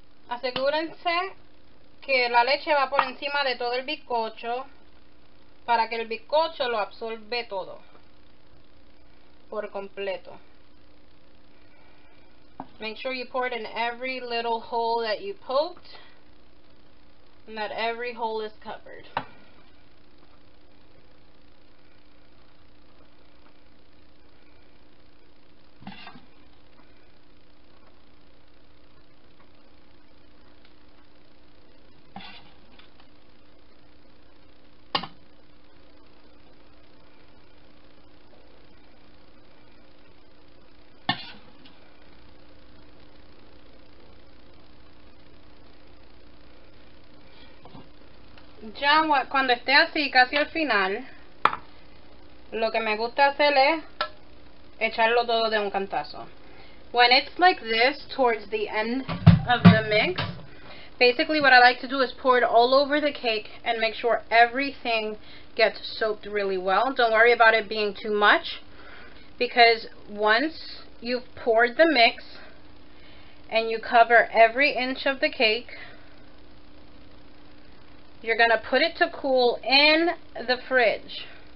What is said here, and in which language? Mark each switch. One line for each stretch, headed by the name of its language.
Spanish: Asegúrense que la leche va por encima de todo el bizcocho para que el bizcocho lo absorbe todo por completo.
English: Make sure you pour it in every little hole that you poked and that every hole is covered.
Spanish: Ya cuando esté así casi al final, lo que me gusta hacer es echarlo todo de un cantazo.
English: When it's like this towards the end of the mix, basically what I like to do is pour it all over the cake and make sure everything gets soaked really well. Don't worry about it being too much, because once you've poured the mix and you cover every inch of the cake, you're going to put it to cool in the fridge.